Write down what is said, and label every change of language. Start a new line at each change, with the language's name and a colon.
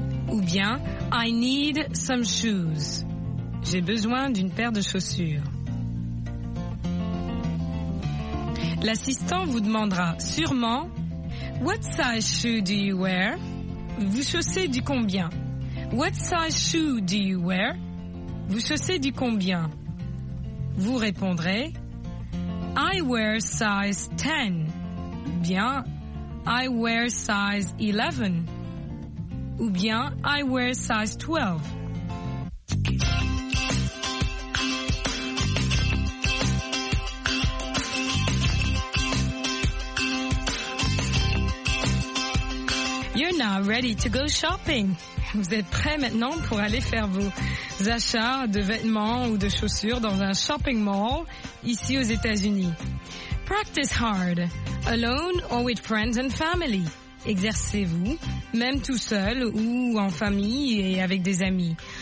French: Ou bien,
English: I need some shoes.
French: J'ai besoin d'une paire de chaussures. L'assistant vous demandera sûrement
English: What size shoe do you wear?
French: Vous chaussez du combien?
English: What size shoe do you wear?
French: Vous chaussez du combien? Vous répondrez
English: I wear size 10. Bien, I wear size 11.
French: Ou bien,
English: I wear size 12. You're now ready to go shopping.
French: Vous êtes prêt maintenant pour aller faire vos achats de vêtements ou de chaussures dans un shopping mall ici aux États-Unis.
English: Practice hard, alone or with friends and family.
French: Exercez-vous, même tout seul ou en famille et avec des amis.